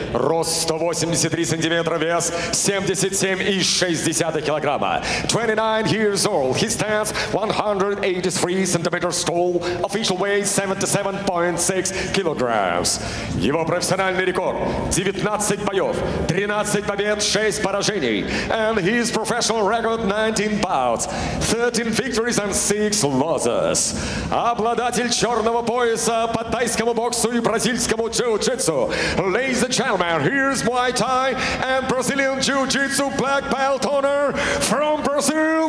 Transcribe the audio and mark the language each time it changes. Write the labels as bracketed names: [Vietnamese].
[Russian] Рост 183 сантиметра, вес 77,6 килограмма. [English] 29 years old. He stands 183 centimeters tall. Official weight 77.6 kilograms. [Russian] Его профессиональный рекорд 19 боев, 13 побед, 6 поражений. [English] And his professional record 19 bouts, 13 victories and 6 losses. [Russian] Обладатель черного пояса по тайскому боксу и бразильскому джиу-джитсу. [English] Ladies and gentlemen, here's Muay Thai and Brazilian Jiu-Jitsu black belt owner from Brazil.